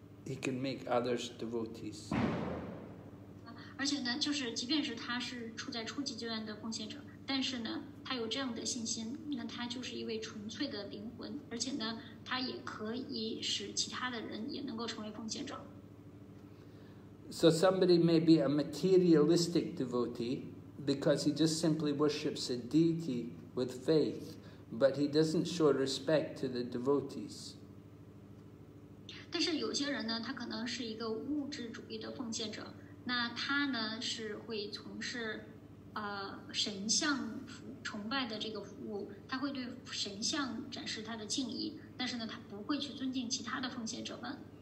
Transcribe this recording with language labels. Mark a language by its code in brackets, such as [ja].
[en] he can make others devotees. [zh] 而且呢，就是即便是他是处在初级阶段的奉献者，但是呢，他有这样的信心，那他就是一位纯粹的灵魂，而且呢，他也可以使其他的人也能够成为奉献者。 [en] So somebody may be a materialistic devotee because he just simply worships a deity with faith, but he doesn't show respect to the devotees. [zh] 但是有些人呢，他可能是一个物质主义的奉献者，那他呢是会从事神像崇拜的这个服务，他会对神像展示他的敬意，但是呢，他不会去尊敬其他的奉献者们。